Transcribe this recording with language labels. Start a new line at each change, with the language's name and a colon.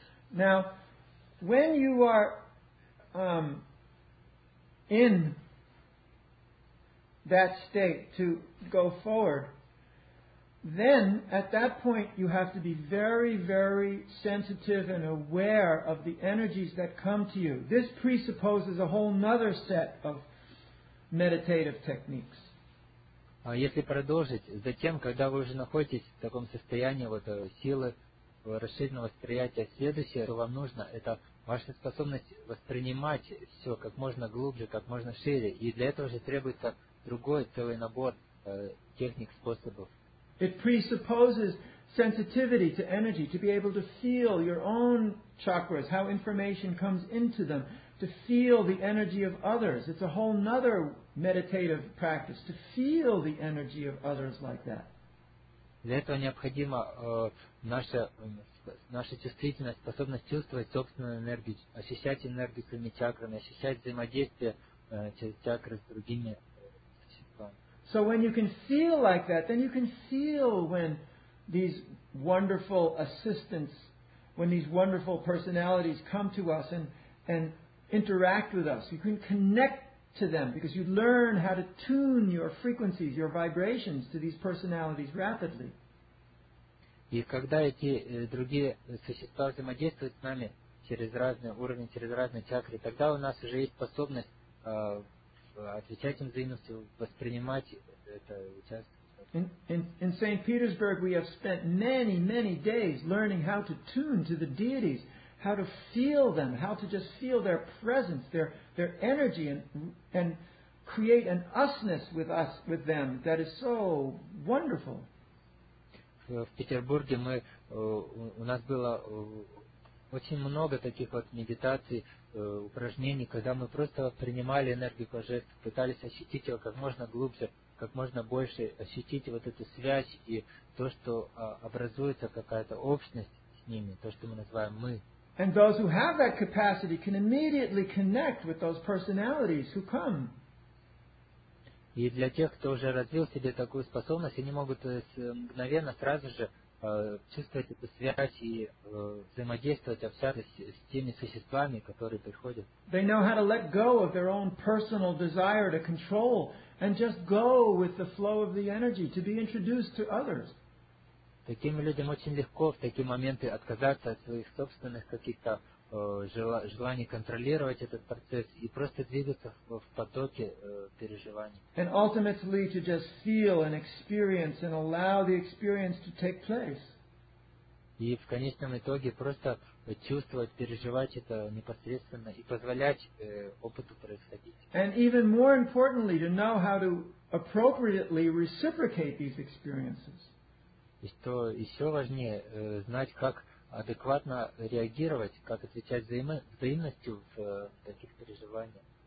English: Now, when you are in that state to go forward, then at that point you have to be very, very sensitive and aware of the energies that come to you. This presupposes a whole nother set of meditative techniques.
Russian: Если продолжить, затем, когда вы уже находитесь в таком состоянии вот силы, расширенного восприятия. Следующее, что вам нужно, это ваша способность воспринимать все как можно глубже, как можно шире. И для этого же требуется другой целый набор техник, способов.
English: It presupposes sensitivity to energy, to be able to feel your own chakras, how information comes into them, to feel the energy of others. It's a whole nother meditative practice, to feel the energy of others like that.
Russian: Для этого необходима наша чувствительность, способность чувствовать собственную энергию, ощущать энергию своими чакрами, ощущать взаимодействие через чакры с другими чакрами.
English: So when you can feel like that, then you can feel when these wonderful assistants, when these wonderful personalities come to us and interact with us. You can connect to them because you learn how to tune your frequencies, your vibrations to these personalities rapidly.
Russian: И когда эти другие существа взаимодействуют с нами через разные уровни, через разные чакры, тогда у нас уже есть способность отвечать им взаимностью, воспринимать это участие.
English: In St. Petersburg, we have spent many, many days learning how to tune to the deities, how to feel them, how to just feel their presence, their energy, and create an usness with us, with them, that is so wonderful.
Russian: В Петербурге мы у нас было очень много таких вот медитаций, упражнений, когда мы просто принимали энергию божеств, пытались ощутить ее как можно глубже, как можно больше ощутить вот эту связь и то, что образуется какая-то общность с ними, то, что мы называем «мы».
English: And those who have that capacity can immediately connect with those personalities who come.
Russian: И для тех, кто уже развил в себе такую способность, они могут мгновенно, сразу же чувствовать эту связь и взаимодействовать, общаться с теми существами, которые приходят.
English: They know how to let go of their own personal desire to control and just go with the flow of the energy to be introduced to others.
Russian: Таким людям очень легко в такие моменты отказаться от своих собственных каких-то желаний контролировать этот процесс и просто двигаться в потоке переживаний.
English: And ultimately to just feel and experience and allow the experience to take place.
Russian: И в конечном итоге просто чувствовать, переживать это непосредственно и позволять опыту происходить.
English: And even more importantly, to know how to appropriately reciprocate these experiences.
Russian: И что еще важнее, знать, как адекватно реагировать, как отвечать взаимностью в таких переживаниях.